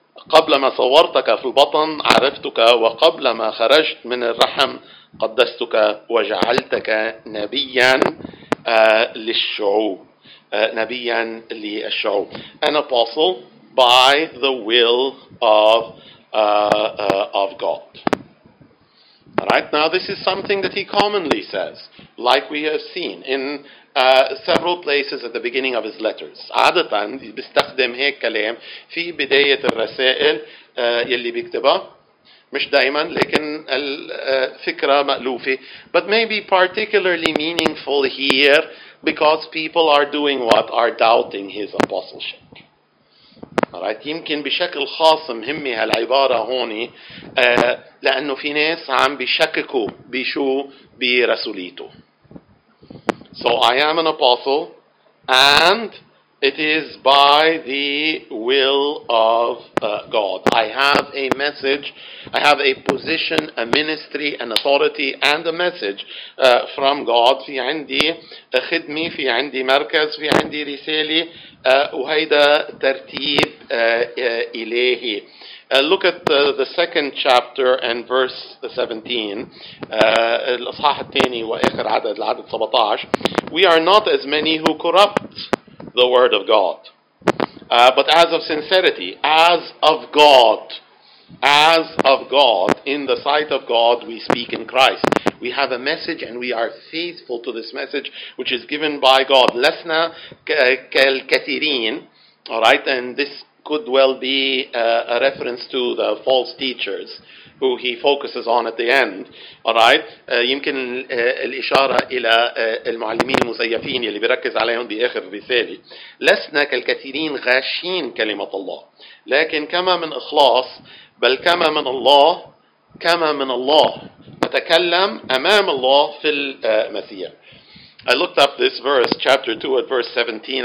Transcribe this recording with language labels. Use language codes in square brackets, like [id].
[ar] قبل ما صورتك في البطن عرفتك وقبل ما خرجت من الرحم قدستك وجعلتك نبيا للشعوب. نبيا للشعوب. [en] An apostle by the will of of God. All right, now this is something that he commonly says, like we have seen in several places at the beginning of his letters. [ar] عادة بيستخدم هيك كلام في بداية الرسائل يلي بيكتبها. مش دائما لكن الفكرة مألوفة. [en] But maybe particularly meaningful here because people are doing what? Are doubting his apostleship. [ar] Alright, يمكن بشكل خاص مهمة هالعبارة هوني لأنه في ناس عم بيشككوا بشو برسوليته. [en] So I am an apostle and it is by the will of God. I have a message, I have a position, a ministry, an authority and a message from God. [ar] في عندي خدمة, في عندي مركز, في عندي رسالة. وهيدا ترتيب إلهي. [en] Look at the second chapter and verse 17. [ar] الأصحاح الثاني وآخر عدد, العدد 17. [en] We are not as many who corrupt the word of God, but as of sincerity, as of God, as of God, in the sight of God we speak in Christ. We have a message and we are faithful to this message which is given by God. [ar] لسنا كالكثيرين, [en] all right, and this could well be a reference to the false teachers who he focuses on at the end, all right. [ar] يمكن الإشارة إلى المعلمين المزيفين اللي بيركز عليهم بآخر الرسالة. لسنا كالكثيرين غاشين كلمة الله, لكن كما من إخلاص بل كما من الله, كما من الله نتكلم أمام الله في المسيح. [en] I looked up this verse, chapter 2 at verse 17.